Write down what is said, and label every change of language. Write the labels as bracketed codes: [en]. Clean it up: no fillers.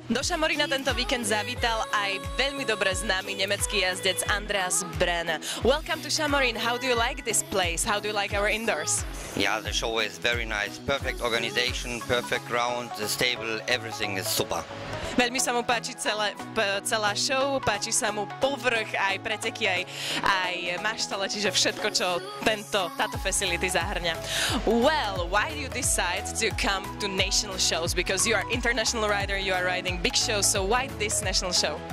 [sk] Šamorína tento víkend zavítal aj veľmi dobre známy nemecký jazdec Andreas Brenn. [en] Welcome to Šamorín. How do you like this place? How do you like our indoors? Yeah, the show is very nice. Perfect organization, perfect ground, the stable, everything is super. [sk] Veľmi sa mu páči celá show, páči sa mu povrch, aj preteky, aj maštale, čiže všetko, čo táto facility zahrňa. [en] Well, why do you decide to come to national shows? Because you are international rider, you are riding big shows, so why this national show?